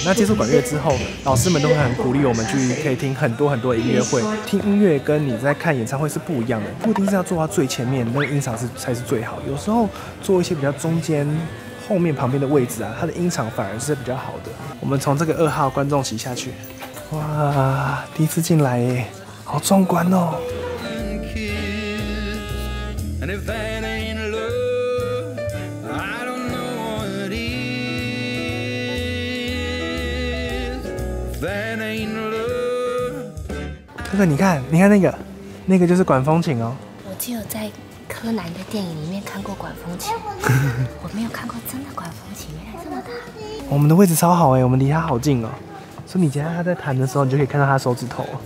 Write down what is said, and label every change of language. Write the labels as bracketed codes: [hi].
[zh] 那接触管乐之后，老师们都会很鼓励我们去可以听很多很多音乐会，听音乐跟你在看演唱会是不一样的，不一定是要坐到最前面，那个音场才是最好。有时候坐一些比较中间、后面、旁边的位置啊，它的音场反而是比较好的。我们从这个二号观众席下去，哇，第一次进来耶，好壮观哦。 [en] And if that ain't love, I don't know what is. That ain't love. [zh] 哥哥，你看那个就是管风琴哦。我只有在柯南的电影里面看过管风琴，我没有看过真的管风琴，原来这么大。我们的位置超好哎，我们离他好近哦。所以你等下他在弹的时候，你就可以看到他手指头，